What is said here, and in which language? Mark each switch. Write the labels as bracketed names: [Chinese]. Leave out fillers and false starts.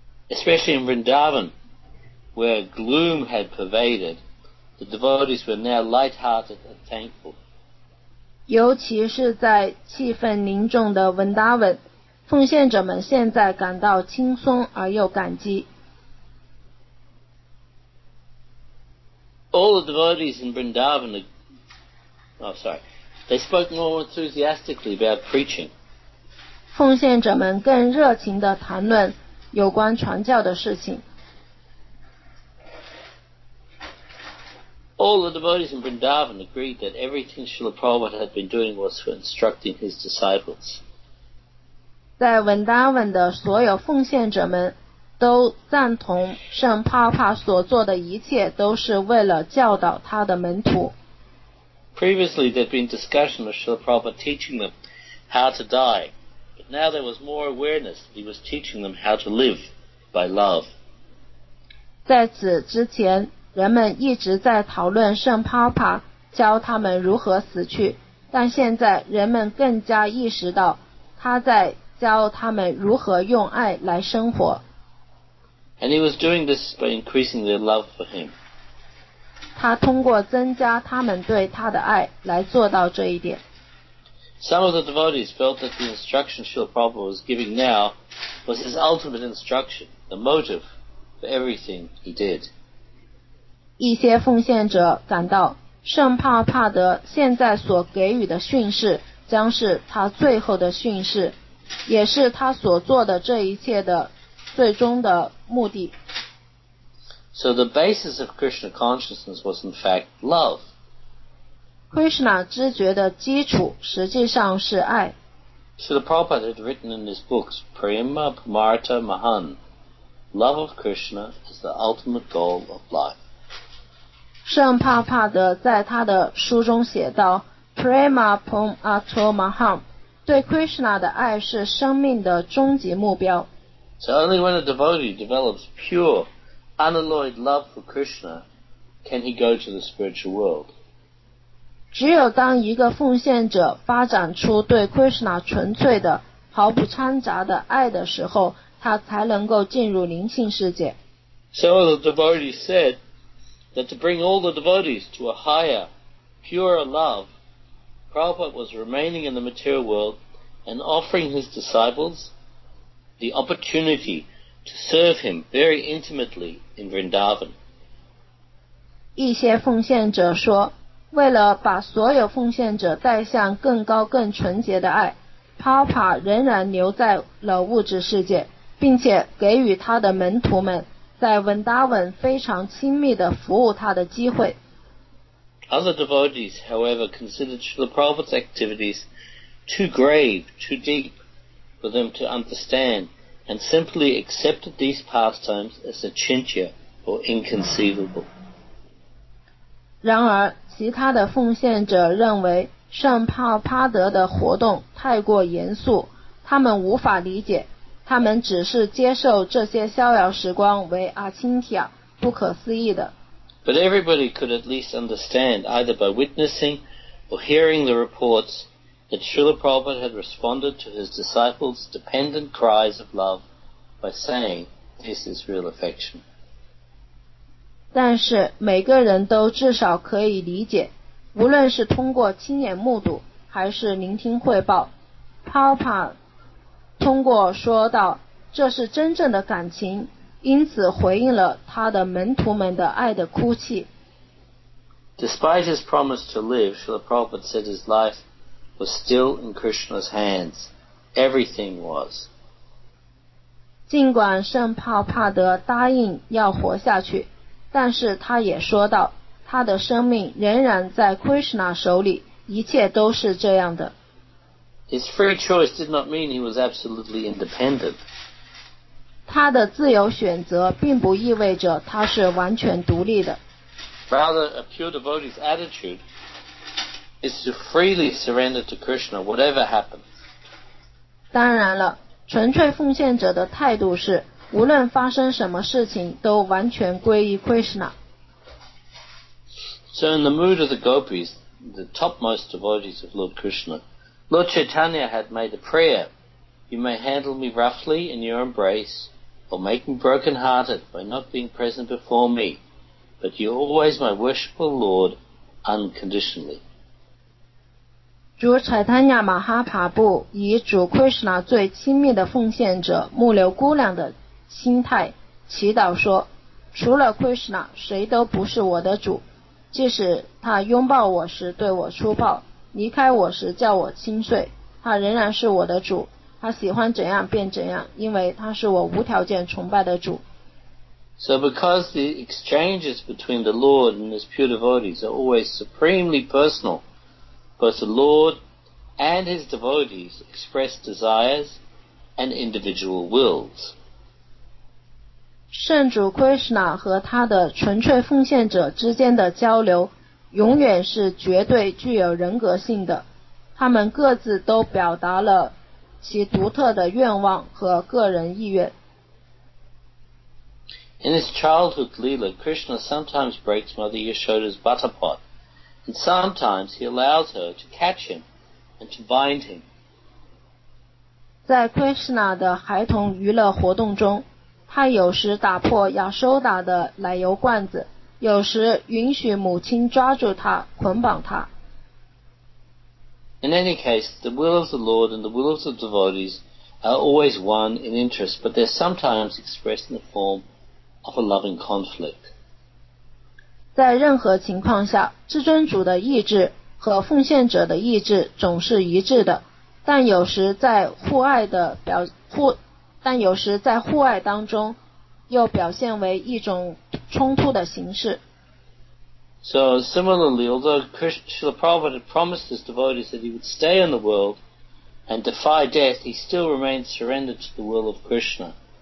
[English] Especially in Vrindavan, where gloom had pervaded,The devotees were now light-hearted and thankful. [Chinese] 尤其是在气氛凝重的 Vrindavan, 奉献者们现在感到轻松而又感激。 [English] All the devotees in Vrindavan, they spoke more enthusiastically about preaching. [Chinese] 奉献者们更热情地谈论有关传教的事情。 [English] All the devotees in Vrindavan agreed that everything Srila Prabhupada had been doing was for instructing his disciples. [Chinese] 在 Vrindavan 的所有奉献者们都赞同圣帕帕所做的一切都是为了教导他的门徒。 [English] Previously there had been discussion of Srila Prabhupada teaching them how to die, but now there was more awareness that he was teaching them how to live by love. [Chinese] 在此之前，人们一直在讨论圣帕帕教他们如何死去，但现在人们更加意识到他在教他们如何用爱来生活。 [English] And he was doing this by increasing their love for him. [Chinese] 他通过增加他们对他的爱来做到这一点。 [English] Some of the devotees felt that the instruction Srila Prabhupada was giving now was his ultimate instruction, the motive for everything he did. [Chinese] 一些奉献者感到圣帕帕德现在所给予的训示将是他最后的训示，也是他所做的这一切的最终的目的。 [English] So the basis of Krishna consciousness was in fact love. [Chinese] Krishna 知觉的基础实际上是爱。 [English] So the Prabhupada had written in his books [Sanskrit] Prema Pamarta Mahan, [English] love of Krishna is the ultimate goal of life. [Chinese] 圣帕帕德在他的书中写道 [Sanskrit] Prema Pamarta Mahan, [Chinese] 对 Krishna 的爱是生命的终极目标。 [English] So only when a devotee develops pure, unalloyed love for Krishna, can he go to the spiritual world. [Chinese] 只有当一个奉献者发展出对 Krishna 纯粹的、毫不掺杂的爱的时候，他才能够进入灵性世界。 [English] So the devotee said that to bring all the devotees to a higher, purer love, Prabhupada was remaining in the material world and offering his disciples the opportunity to serve him very intimately in Vrindavan. [Chinese] 一些奉献者说，为了把所有奉献者带向更高更纯洁的爱，帕帕仍然留在了物质世界，并且给予他的门徒们在 Vrindavan 非常亲密地服务他的机会。 [English] Other devotees, however, considered Srila Prabhupada's activities too grave, too deep,for them to understand and simply accepted these pastimes as a chintya or inconceivable. [Chinese] 然而其他的奉献者认为圣帕帕德的活动太过严肃，他们无法理解，他们只是接受这些逍遥时光为阿钦提亚，不可思议的。 [English] But everybody could at least understand either by witnessing or hearing the reportsthat Srila Prabhupada had responded to his disciples' dependent cries of love by saying, this is real affection. [Chinese] 但是每个人都至少可以理解，无论是通过亲眼目睹还是聆听汇报， Prabhupada 通过说到这是真正的感情，因此回应了他的门徒们的爱的哭泣。 [English] Despite his promise to live, Srila Prabhupada said his lifewas still in Krishna's hands. Everything was. [Chinese] 尽管圣帕帕德答应要活下去，但是他也说到，他的生命仍然在 Krishna 手里，一切都是这样的。 [English] His free choice did not mean he was absolutely independent. [Chinese] 他的自由选择并不意味着他是完全独立的。 [English] Rather, a pure devotee's attitude is to freely surrender to Krishna whatever happens. [Chinese] 当然了，纯粹奉献者的态度是无论发生什么事情都完全归于 Krishna. [English] So in the mood of the gopis, the topmost devotees of Lord Krishna, Lord Chaitanya had made a prayer, you may handle me roughly in your embrace or make me broken hearted by not being present before me, but you're always my worshipful Lord unconditionally. [Chinese] 主柴坦亚马哈帕布以主 Krishna 最亲密的奉献者木流姑娘的心态祈祷说，除了 Krishna 谁都不是我的主，即使他拥抱我时对我粗暴，离开我时叫我心碎，他仍然是我的主，他喜欢怎样便怎样，因为他是我无条件崇拜的主。 [English] So because the exchanges between the Lord and his pure devotees are always supremely personalBoth the Lord and his devotees express desires and individual wills. [Chinese] 圣主 Krishna 和他的纯粹奉献者之间的交流永远是绝对具有人格性的，他们各自都表达了其独特的愿望和个人意愿。 [English] In his childhood Leela, Krishna sometimes breaks Mother Yashoda's butter pot. And sometimes he allows her to catch him and to bind him. [Chinese] 在 Krishna 的孩童娱乐活动中，他有时打破亚修达的奶油罐子，有时允许母亲抓住他捆绑他。 [English] In any case, the will of the Lord and the will of the devotees are always one in interest, but they're sometimes expressed in the form of a loving conflict. [Chinese] 在任何情况下，至尊主的意志和奉献者的意志总是一致的，但有时在互爱的表互。但有时在互爱当中又表现为一种冲突的形式。 [English] So similarly, although Srila Prabhupada had promised his devotees that he would stay in the world and defy death, he still remained surrendered to the will of Krishna.